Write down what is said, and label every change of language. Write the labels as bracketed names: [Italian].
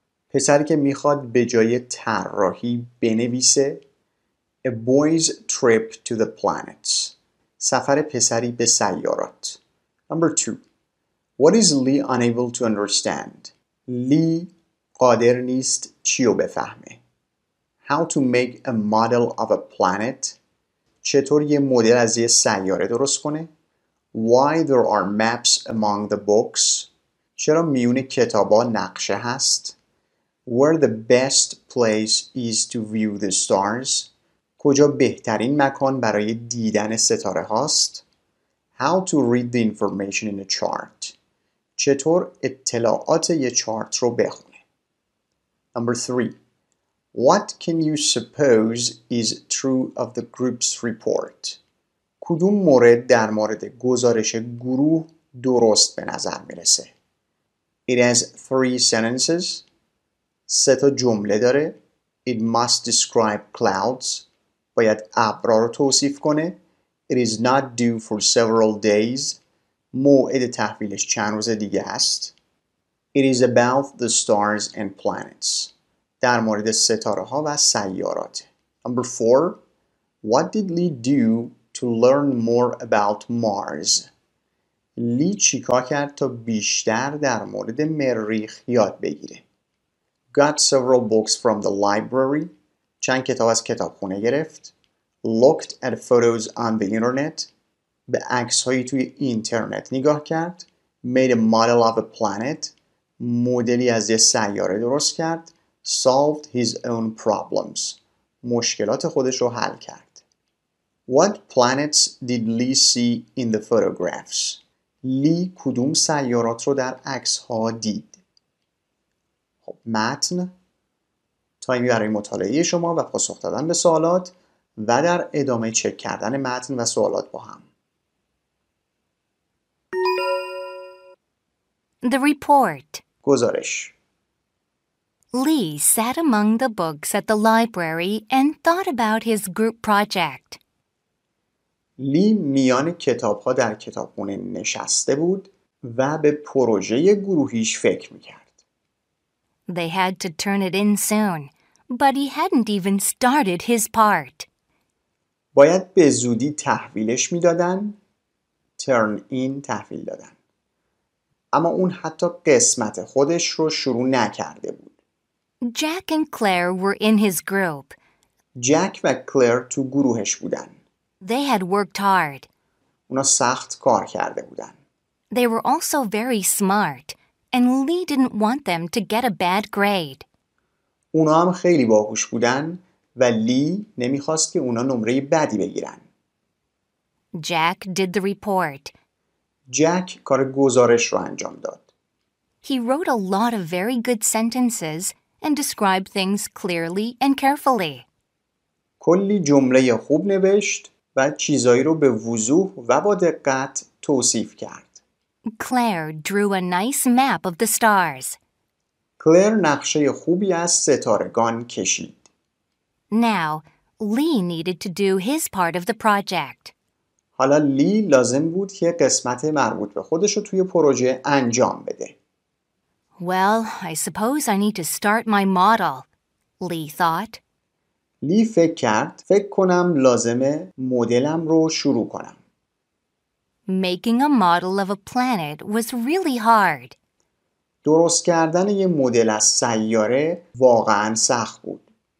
[Persian] پسری که میخواد به جای طراحی بنویسه. [English] A boy's trip to the planets. [Persian] سفر پسری به سیارات. [English] Number 2. What is Lee unable to understand? [Persian] Lee قادر نیست چی رو بفهمه. [English] How to make a model of a planet. [Persian] چطور یه مدل از یه سیاره درست کنه؟ [English] Why there are maps among the books؟ [Persian] چرا میون کتابا نقشه هست؟ [English] Where the best place is to view the stars؟ [Persian] کجا بهترین مکان برای دیدن ستاره هاست؟ [English] How to read the information in a chart؟ [Persian] چطور اطلاعات یه چارت رو بخونه؟ [English] Number 3. What can you suppose is true of the group's report? [Persian] کدوم مورد در مورد گزارش گروه درست به نظر میرسه؟ [English] It has 3 sentences. [Persian] سه تا جمله داره. [English] It must describe clouds. [Persian] باید ابرا رو توصیف کنه. [English] It is not due for several days. [Persian] موعد تحویلش چند روز دیگه است. [English] It is about the stars and planets. [Persian] در مورد ستاره ها و سیارات. [English] Number 4. What did Lee do to learn more about Mars? [Persian] لی چیکار کرد تا بیشتر در مورد مریخ یاد بگیره؟ [English] Got several books from the library. [Persian] چند کتاب از کتابخونه گرفت. [English] Looked at photos on the internet. [Persian] به عکس‌های توی اینترنت نگاه کرد. [English] Made a model of a planet. [Persian] مدلی از یه سیاره درست کرد. [English] Solved his own problems. [Persian] مشکلات خودش رو حل کرد. [English] What planets did Lee see in the photographs? [Persian] لی کدوم سیارات رو در عکس ها دید؟ خب متن، تایمی برای مطالعه شما و پاسخ دادن به سوالات و در ادامه چک کردن متن و سوالات با هم. [English] The report. [Persian] گزارش. [English] Lee sat among the books at the library and thought about his group project. [Persian] لی میان کتاب‌ها در کتابخانه نشسته بود و به پروژه گروهیش فکر می‌کرد. [English] They had to turn it in soon, but he hadn't even started his part. [Persian] باید به زودی تحویلش می‌دادن. Turn in تحویل دادن. اما اون حتی قسمت خودش رو شروع نکرده بود. [English] Jack and Claire were in his group. [Persian] Jack و Claire تو گروهش بودن. [English] They had worked hard. [Persian] اونا سخت کار کرده بودن. [English] They were also very smart, and Lee didn't want them to get a bad grade. [Persian] اونا هم خیلی باهوش بودن و لی نمیخواست که اونا نمره بدی بگیرن. [English] Jack did the report. [Persian] Jack کار گزارش رو انجام داد. [English] He wrote a lot of very good sentences and described things clearly and carefully. [Persian] کلی جمله خوب نوشت و چیزایی رو به وضوح و با دقت توصیف کرد. [English] Claire drew a nice map of the stars. [Persian] کلر نقشه خوبی از ستارگان کشید. [English] Now, Lee needed to do his part of the project. [Persian] حالا لی لازم بود که قسمت مربوط به خودش رو توی پروژه انجام بده. [English] Well, I suppose I need to start my model, Lee thought. [Persian] لی فکر کرد، فکر کنم لازمه مدلم رو شروع کنم. [English] Making a model of a planet was really hard. [Persian] درست کردن یه مدل از سیاره واقعاً سخت بود.